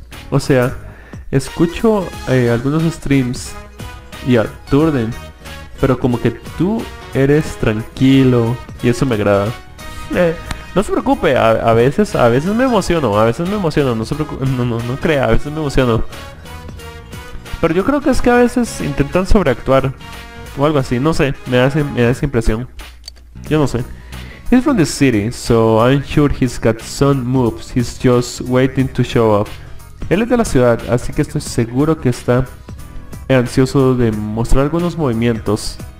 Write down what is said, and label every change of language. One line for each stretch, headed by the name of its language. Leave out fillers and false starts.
Spanish: O sea, escucho algunos streams y aturden, pero como que tú eres tranquilo y eso me agrada. No se preocupe, a veces me emociono, a veces me emociono. Pero yo creo que es que a veces intentan sobreactuar o algo así, no sé, me da esa impresión. Yo no sé.
English: He's from the city, so I'm sure he's got some moves. He's just waiting to show up.
Spanish: Él es de la ciudad, así que estoy seguro que está ansioso de mostrar algunos movimientos.